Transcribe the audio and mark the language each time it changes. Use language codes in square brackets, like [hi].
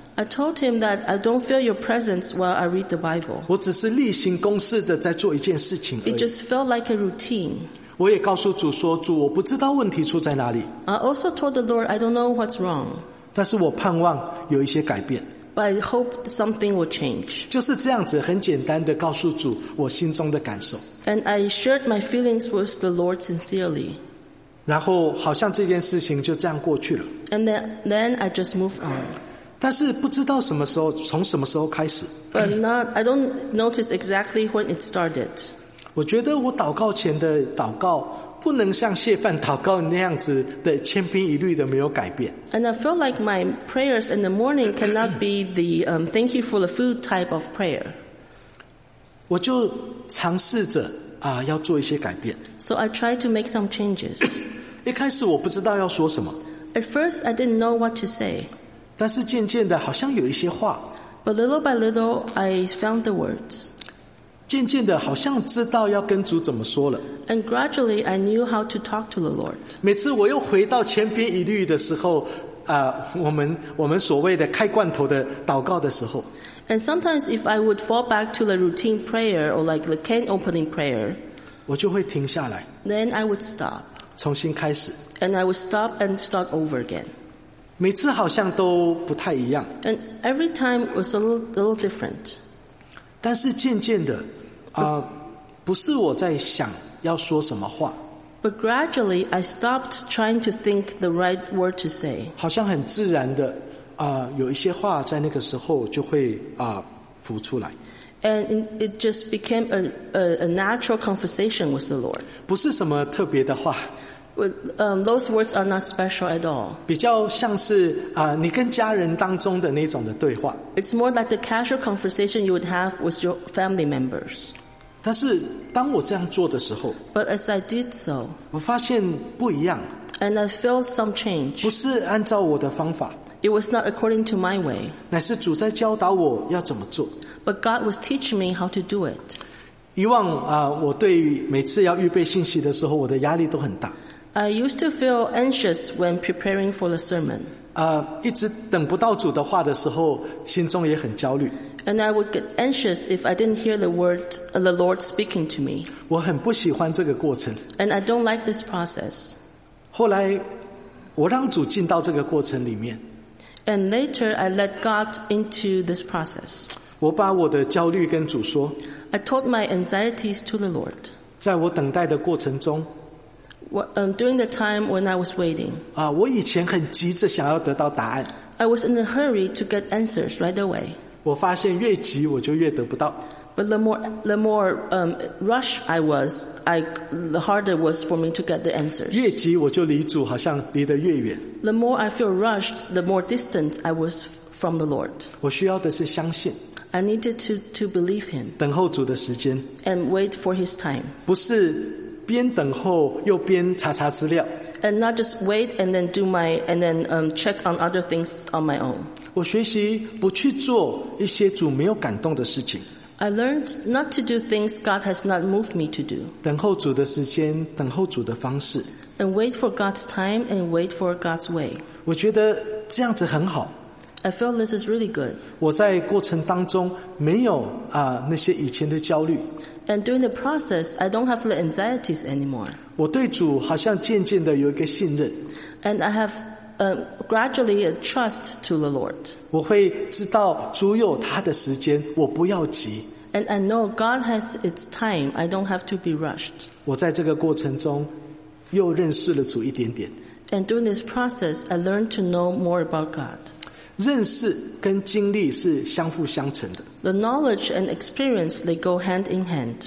[en] I told him that I don't feel your presence while I read the Bible. [zh] 我只是例行公事的在做一件事情而已。 [en] It just felt like a routine. [zh] 我也告诉主说，主，我不知道问题出在哪里。 [en] I also told the Lord I don't know what's wrong. [zh] 但是我盼望有一些改变。 [en] But I hope something will change. [zh] 就是这样子，很简单的告诉主我心中的感受。 [en] And I shared my feelings with the Lord sincerely. [zh] 然后好像这件事情就这样过去了。 [en] And then I just moved on. [zh] 但是不知道什么时候，从什么时候开始。 [en] But not, I don't notice exactly when it started. [zh] 我觉得我祷告前的祷告不能像谢范祷告那样子的千篇一律的没有改变。 [en] And I feel like my prayers in the morning cannot be the thank you for the food type of prayer. [zh] 我就尝试着要做一些改变。 [en] So I tried to make some changes. [zh] 一开始我不知道要说什么。 [en] At first, I didn't know what to say. [zh] 但是渐渐的，好像有一些话。 [en] But little by little, I found the words. [zh] 渐渐的，好像知道要跟主怎么说了。 [en] And gradually, I knew how to talk to the Lord. [zh] 每次我又回到千篇一律的时候，我们所谓的开罐头的祷告的时候。 [en] And sometimes if I would fall back to the routine prayer or like the can opening prayer, [zh] 我就会停下来。 [en] Then I would stop. [zh] 重新开始。 [en] And I would stop and start over again. [zh] 每次好像都不太一样。 [en] And every time was a little different. [zh] 但是渐渐的，不是我在想要说什么话。 [en] But gradually I stopped trying to think the right word to say. [zh] 好像很自然的。有一些话在那个时候就会浮出来。 [en] And it just became a natural conversation with the Lord. [zh] 不是什么特别的话。 [en] Those words are not special at all. [zh] 比较像是你跟家人当中的那种的对话。 [en] It's more like the casual conversation you would have with your family members. [zh] 但是当我这样做的时候。 [en] But as I did so. [zh] 我发现不一样。 [en] And I felt some change. [zh] 不是按照我的方法。 [en] It was not according to my way. [zh] 乃是主在教导我要怎么做。 [en] But God was teaching me how to do it. [zh] 以往我对每次要预备信息的时候，我的压力都很大。 [en] I used to feel anxious when preparing for the sermon. [zh] 一直等不到主的话的时候，心中也很焦虑。 [en] And I would get anxious if I didn't hear the Lord speaking to me. [zh] 我很不喜欢这个过程。 [en] And I don't like this process. [zh] 后来，我让主进到这个过程里面。 [en] And later, I let God into this process. [zh] 我把我的焦虑跟主说。 [en] I told my anxieties to the Lord. [zh] 在我等待的过程中。 [en] During the time when I was waiting. [zh] 我以前很急着想要得到答案。 [en] I was in a hurry to get answers right away. [zh] 我发现越急我就越得不到。 [en] But the more rush I was, the harder it was for me to get the answers. [zh] 越急我就离主好像离得越远。 [en] The more I feel rushed, the more distant I was from the Lord. [zh] 我需要的是相信。 [en] I needed to believe him. [zh] 等候主的时间。 [en] And wait for his time. [zh] 不是边等候又边查查资料。 [en] And not just wait and then do my, and then check on other things on my own. [zh] 我学习不去做一些主没有感动的事情。 [en] I learned not to do things God has not moved me to do. [zh] 等候主的时间，等候主的方式。 [en] And wait for God's time and wait for God's way. [zh] 我觉得这样子很好。 [en] I feel this is really good. [zh] 我在过程当中没有那些以前的焦虑。 [en] And during the process, I don't have the anxieties anymore. [zh] 我对主好像渐渐的有一个信任。 [en] And I have gradually a trust to the Lord. [zh] 我会知道主有他的时间，我不要急。 [en] And I know God has its time. I don't have to be rushed. [zh] 我在这个过程中又认识了主一点点。 [en] And during this process, I learned to know more about God. [zh] 认识跟经历是相辅相成的。 [en] The knowledge and experience they go hand in hand.